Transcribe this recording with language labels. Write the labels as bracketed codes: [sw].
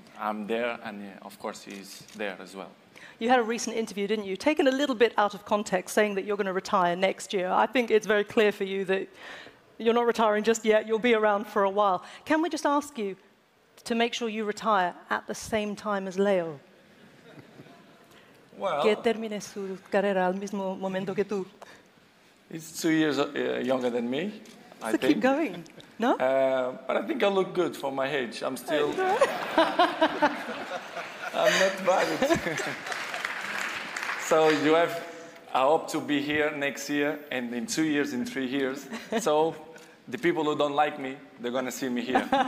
[en] I'm there and of course he's there as well. You had a recent interview, didn't you? Taken a little bit out of context, saying that you're going to retire next year. I think it's very clear for you that you're not retiring just yet. You'll be around for a while. Can we just ask you to make sure you retire at the same time as Leo? Well, [es] que termine su carrera al mismo momento que tú. [en] He's 2 years younger than me. So I think. Keep going, no? But I think I look good for my age. I'm still. I'm not bad. So you have, I hope to be here next year and in 2 years, in 3 years. So the people who don't like me, they're going to see me here.